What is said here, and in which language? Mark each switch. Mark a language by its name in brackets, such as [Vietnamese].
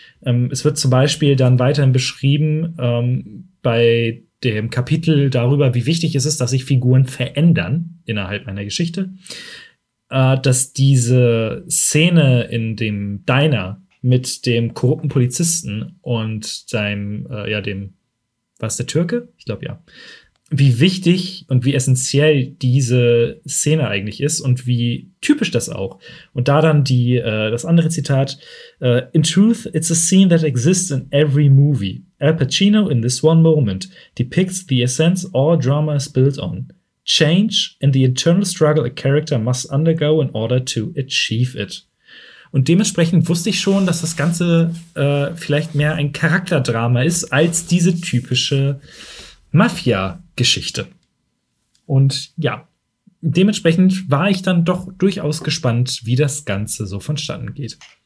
[German] Es wird zum Beispiel dann weiterhin beschrieben bei dem Kapitel darüber, wie wichtig es ist, dass sich Figuren verändern innerhalb meiner Geschichte, dass diese Szene in dem Diner mit dem korrupten Polizisten und seinem, wie wichtig und wie essentiell diese Szene eigentlich ist und wie typisch das auch. Und da dann das andere Zitat. [English] In truth, it's a scene that exists in every movie. Al Pacino in this one moment depicts the essence all drama is built on. Change and the internal struggle a character must undergo in order to achieve it. [German] Und dementsprechend wusste ich schon, dass das Ganze vielleicht mehr ein Charakterdrama ist als diese typische Mafia-Geschichte. Und ja, dementsprechend war ich dann doch durchaus gespannt, wie das Ganze so vonstatten geht.